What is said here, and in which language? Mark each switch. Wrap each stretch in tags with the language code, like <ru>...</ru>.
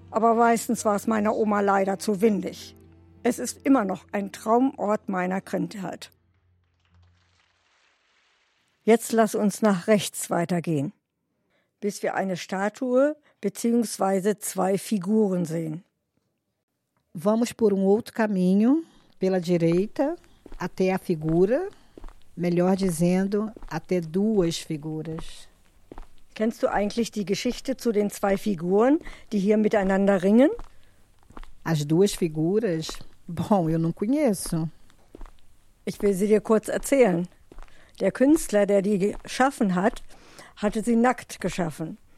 <de>Aber meistens war es meiner Oma leider zu windig. Es ist immer noch ein Traumort meiner Kindheit. Jetzt lass uns nach rechts weitergehen, bis wir eine Statue bzw. zwei Figuren sehen.</de> <pt>Vamos por outro caminho, pela direita, até a figura, melhor dizendo, até duas figuras.</pt> <de>Kennst du eigentlich die Geschichte zu den zwei Figuren, die hier miteinander ringen?</de> <pt>As duas figuras? Bom, eu não conheço.</pt> <de>Ich will sie dir kurz erzählen. Der Künstler, der die geschaffen hat, hatte sie nackt geschaffen.</de>